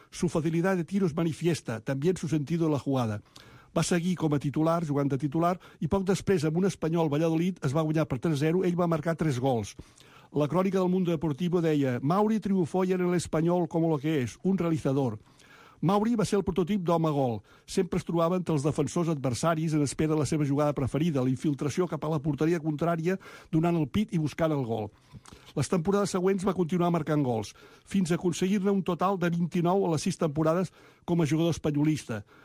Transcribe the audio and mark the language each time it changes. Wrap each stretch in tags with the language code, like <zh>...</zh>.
<es>Su facilidad de tiros manifiesta también su sentido de la jugada.</es> <ca>Va seguir com a titular, jugant de titular, i poc després, amb un Espanyol Valladolid, es va guanyar per 3-0, ell va marcar 3 gols. La crònica del Mundo Deportivo deia,</ca> <es>Mauri triunfó en el Espanyol como lo que es, un realizador.</es> <ca>Mauri va ser el prototip d'home gol. Sempre es trobava entre els defensors adversaris en espera de la seva jugada preferida, la infiltració cap a la porteria contrària, donant el pit i buscant el gol. Les temporades següents va continuar marcant gols, fins a aconseguir-ne un total de 29 a les 6 temporades com a jugador espanyolista.</ca>